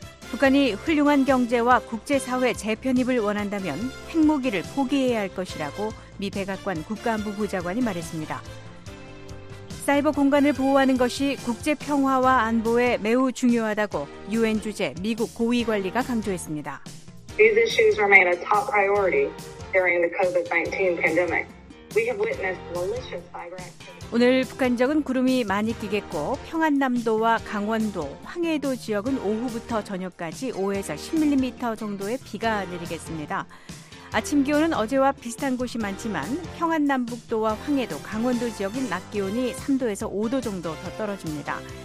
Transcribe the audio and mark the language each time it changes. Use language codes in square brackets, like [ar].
[ko] 북한이 훌륭한 경제와 국제사회 재편입을 원한다면 핵무기를 포기해야 할 것이라고 미 백악관 국가안보 보좌관이 말했습니다. 사이버 공간을 보호하는 것이 국제평화와 안보에 매우 중요하다고 UN 주재 미국 고위 관리가 강조했습니다. [en] These issues remain a top priority during the COVID-19 pandemic. We have witnessed malicious cyber activity. [ko] 오늘 북한적은 구름이 많이 끼겠고 평안남도와 강원도, 황해도 지역은 오후부터 저녁까지 5에서 10mm 정도의 비가 내리겠습니다. 아침 기온은 어제와 비슷한 곳이 많지만 평안남북도와 황해도, 강원도 지역은 낮 기온이 3도에서 5도 정도 더 떨어집니다.